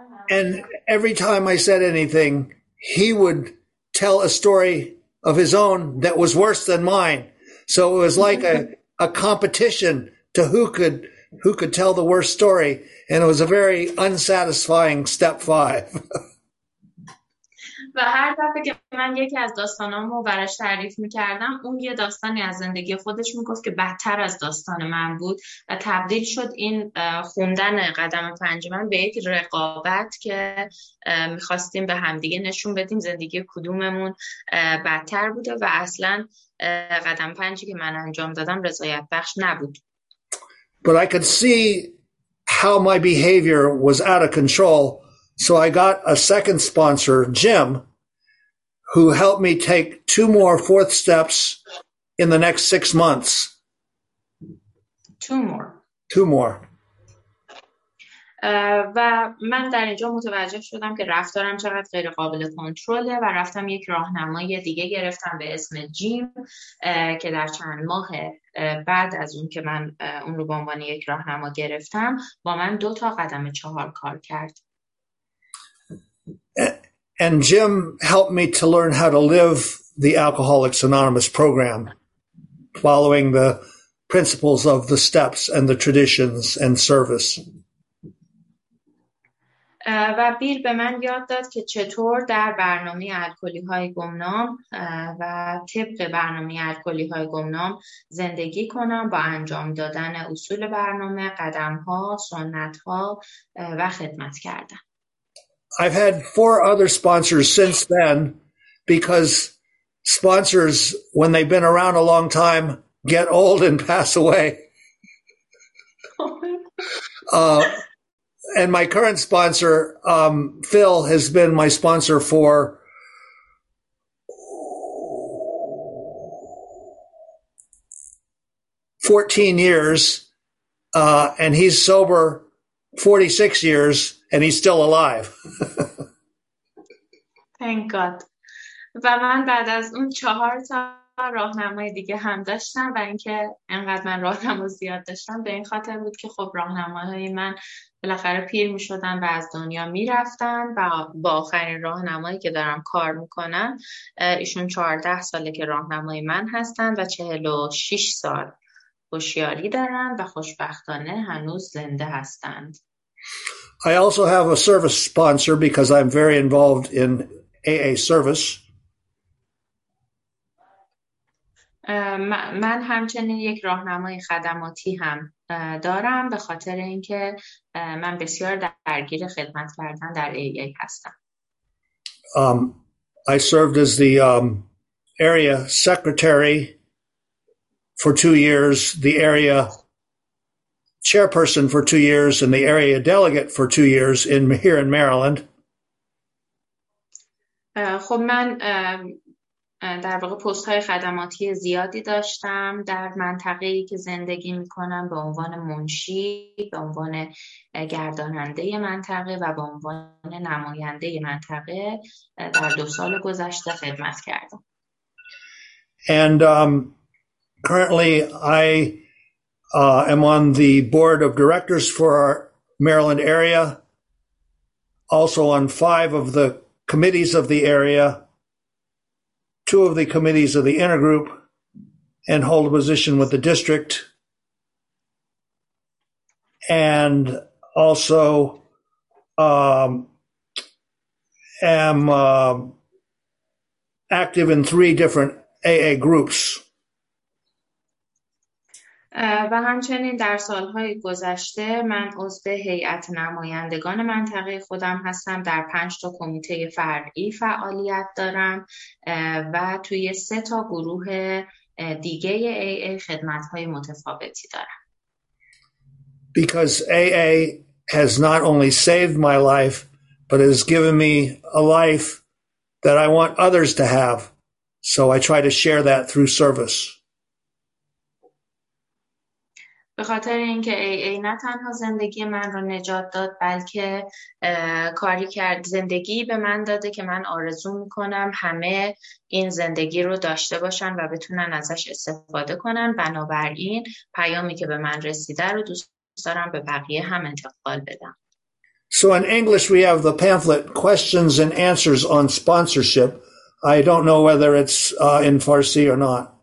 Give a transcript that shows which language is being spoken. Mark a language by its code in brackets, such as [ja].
[en] And every time I said anything, he would tell a story of his own that was worse than mine. So it was like a competition to who could tell the worst story. And it was a very unsatisfying step 5. [fa] و هر دفعه که من یکی از داستانام رو براش تعریف میکردم اون یه داستانی از زندگی خودش میگفت که بدتر از داستان من بود و تبدیل شد این خوندن قدم 5 من به یک رقابت که میخواستیم به همدیگه نشون بدیم زندگی کدوممون بدتر بوده و اصلا قدم 5 که من انجام دادم رضایت بخش نبود. [en] But I could see how my behavior was out of control. So I got a second sponsor, Jim, who helped me take 2 more fourth steps in the next 6 months. Two more. Two more. [fa] و من در اینجا متوجه شدم که رفتارم چقدر غیر قابل کنترله و رفتم یک راهنمای دیگه گرفتم به اسم جیم که در چند ماه بعد از اون که من اون رو به عنوان یک راهنما گرفتم با من 2 تا قدم 4 کار کرد. [en] And Jim helped me to learn how to live the Alcoholics Anonymous program, following the principles of the steps and the traditions and service. [fa] و بیل به من یاد داد که چطور در برنامه الکلی‌های گمنام و طبق برنامه الکلی‌های گمنام زندگی کنم با انجام دادن اصول برنامه، قدم‌ها، سنت‌ها و خدمت کردن. [en] I've had 4 other sponsors since then because sponsors, when they've been around a long time, get old and pass away. And my current sponsor, Phil, has been my sponsor for 14 years, and he's sober 46 years, and he's still alive. Thank God. [fa] و من بعد از اون 4 تا راهنمای دیگه هم داشتم و اینکه انقدر من راهنما زیاد داشتم به این خاطر بود که خب راهنماهای من بالاخره پیر می شدن و از دنیا می رفتن و با آخرین راهنمایی که دارم کار میکنم ایشون 14 ساله که راهنمای من هستن و 46 سال هوشیاری دارن و خوشبختانه هنوز زنده هستند. [en] I also have a service sponsor because I'm very involved in AA service. [fa] من همچنین یک راهنمای خدماتی هم دارم به خاطر اینکه من بسیار درگیر خدمت کردن در AA هستم. [en] I served as the area secretary for 2 years, the area chairperson for 2 years, and the area delegate for 2 years here in Maryland. [fa] خب من در واقع پست های خدماتی زیادی داشتم در منطقه ای که زندگی می کنم به عنوان منشی، به عنوان گرداننده منطقه و به عنوان نماینده منطقه در 2 سال گذشته خدمت کردم. [en] And currently I am on the board of directors for our Maryland area, also on 5 of the committees of the area, 2 of the committees of the intergroup, and hold a position with the district, and also am active in 3 different AA groups. [fa] و همچنین در سالهای گذشته من عضو هیئت نمایندگان منطقه خودم هستم، در 5 تا کمیته فرعی فعالیت دارم و توی 3 تا گروه دیگه AA خدمت‌های متفاوتی دارم. [en] Because AA has not only saved my life, but has given me a life that I want others to have. So I try to share that through service. [fa] به خاطر اینکه AA نه تنها زندگی من رو نجات داد بلکه کاری کرد، زندگی به من داده که من آرزو میکنم همه این زندگی رو داشته باشن و بتونن ازش استفاده کنن. بنابراین پیامی که به من رسیده رو دوست دارم به بقیه هم انتقال بدم. [en] So in English we have the pamphlet Questions and Answers on Sponsorship. I don't know whether it's in Farsi or not.